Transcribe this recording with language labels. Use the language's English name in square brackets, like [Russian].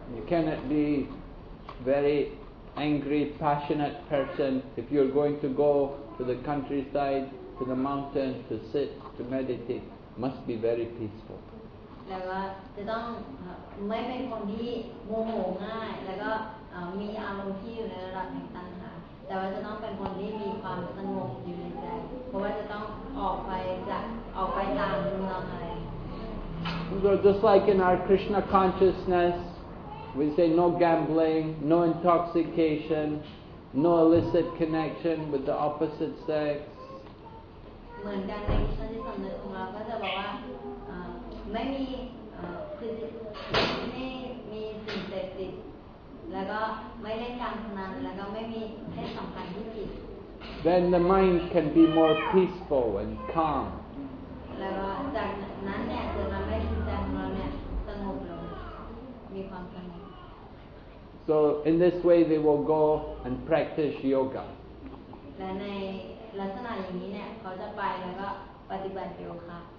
[English] You cannot be very angry, passionate person if you're going to go to the countryside, to the mountain, to sit, to meditate. Must be very peaceful. [Thai] แล้วก็จะต้องไม่เป็นคนที่โมโหง่ายแล้วก็มีอารมณ์ที่อยู่ในระดับแห่งตัณหาแต่ว่าจะต้องเป็นคนที่มีความสงบอยู่ในใจเพราะว่าจะต้องออกไปตามทำนองอะไร [English] So just like in our Krishna consciousness we say no gambling no intoxication no illicit connection with the opposite sex [Thai] เหมือนกันในชั้นที่สำนึกของเราก็จะบอกว่าไม่มีคือไม่มีสิ่งเสพติดแล้วก็ไม่เล่นการพนันแล้วก็ไม่มีเพศสัมพันธ์ที่ผิด [English] Then the mind can be more peaceful and calm [Thai] แล้วจากนั้นเนี่ยจะทำให้จิตใจของเราเนี่ยสงบลงมีความสงบ [English] So in this way they will go and practice yoga [Thai] และในลักษณะอย่างนี้เนี่ยเขาจะไปแล้วก็ปฏิบัติโยคะ